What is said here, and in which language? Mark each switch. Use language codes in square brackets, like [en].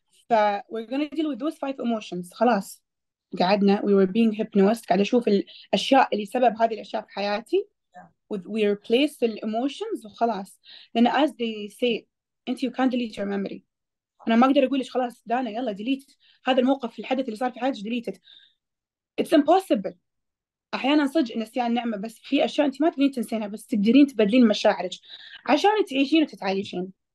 [en] ف we're gonna deal with those five emotions. [ar] خلاص قعدنا [en] we were being hypnosed، [ar] قاعد أشوف الأشياء اللي سبب هذه الأشياء في حياتي [en] we replace the emotions [ar] وخلاص. [en] لأن as they say أنت you can't delete your memory. [ar] أنا ما أقدر أقول لك خلاص دانا يلا delete هذا الموقف، الحدث اللي صار في حياتك [en] delete it. It's impossible. [ar] أحيانا صدق نسيان نعمة، بس في أشياء أنت ما تقدرين تنسينها، بس تقدرين تبدلين مشاعرك عشان تعيشين وتتعايشين.